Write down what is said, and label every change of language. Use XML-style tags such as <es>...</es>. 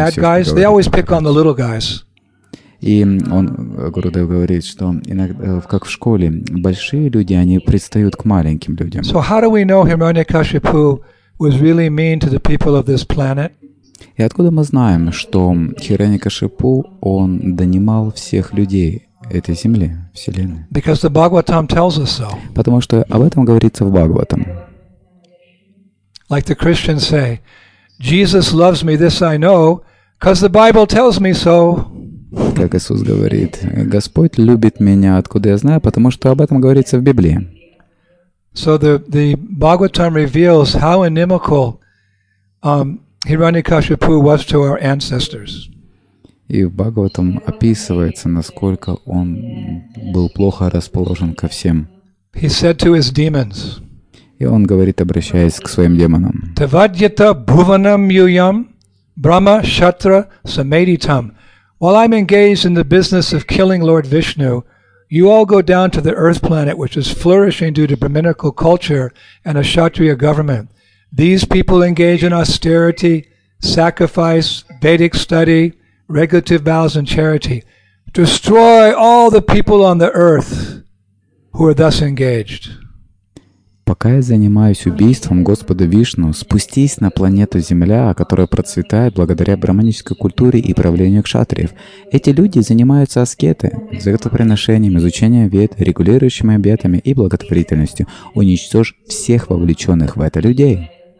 <en>Bad guys, they always pick on the little guys.</en> <ru>И он Гурудев говорит, что иногда, как в школе, большие люди, они пристают к маленьким людям.</ru> <en>So how do we know Hiranyakashipu was really mean to the people of this planet?</en> <ru>И откуда мы знаем, что Хиранья-Кашипу, он донимал всех людей этой земли, вселенной?</ru> <en>Because the Bhagavatam tells us so.</en> <ru>Потому что об этом говорится в Бхагаватам.</ru> <en>Like the Christians say, Jesus loves me, this I know, because the Bible tells me so.</en> <ru>Как Иисус говорит, Господь любит меня, откуда я знаю, потому что об этом говорится в Библии.</ru> <en>So the Bhagavatam reveals how inimical Hiranyakashipu was to our ancestors.</en> <ru>И в Бхагаватам описывается, насколько он был плохо расположен ко всем.</ru> <en>He said to his demons,</en> <ru>и он говорит, обращаясь к своим демонам.</ru> <sa>Tavadyata bhuvanam yuyam brahma kshatra samaditam.</sa> <en>While I'm engaged in the business of killing Lord Vishnu, you all go down to the earth planet, which is flourishing due to brahminical culture and a kshatriya government. These people engage in austerity, sacrifice, Vedic study, regulative vows and charity, destroy all the people on the earth who are thus engaged.</en> <ru>Пока я занимаюсь убийством Господа Вишну, спустись на планету Земля, которая процветает благодаря брахманической культуре и правлению кшатриев. Эти люди занимаются аскеты, жертвоприношением, изучением вед, регулирующими обетами и благотворительностью. Уничтожь всех вовлеченных в это людей.</ru>